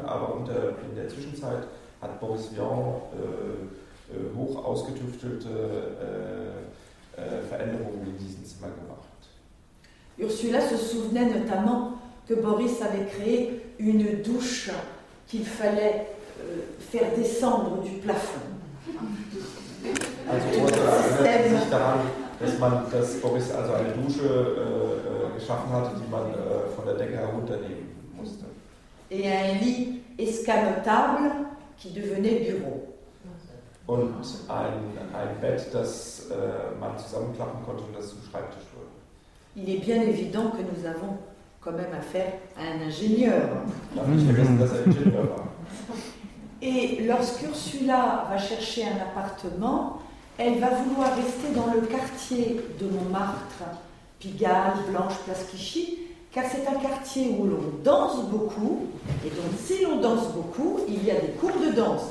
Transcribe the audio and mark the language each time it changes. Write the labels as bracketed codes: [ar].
[de] Aber in der Zwischenzeit hat Boris Vian hoch ausgetüftelte Veränderungen in diesem Zimmer gemacht. [fr] Ursula se souvenait notamment que Boris avait créé une douche qu'il fallait faire descendre du plafond. [de] Also Ursula erinnert sich daran, dass Boris also eine Dusche geschaffen hatte, die man von der Decke herunternehmen musste. [fr] Et un lit escamotable qui devenait bureau. [de] Und ein Bett, das man zusammenklappen konnte und das zum Schreibtisch wurde. [fr] Il est bien évident que nous avons quand même affaire à un ingénieur. [de] Ich habe vergessen, dass er Ingenieur war. [fr] Et lorsqu'Ursula va chercher un appartement, elle va vouloir rester dans le quartier de Montmartre, Pigalle, Blanche, Place Clichy, car c'est un quartier où l'on danse beaucoup, et donc si l'on danse beaucoup, il y a des cours de danse.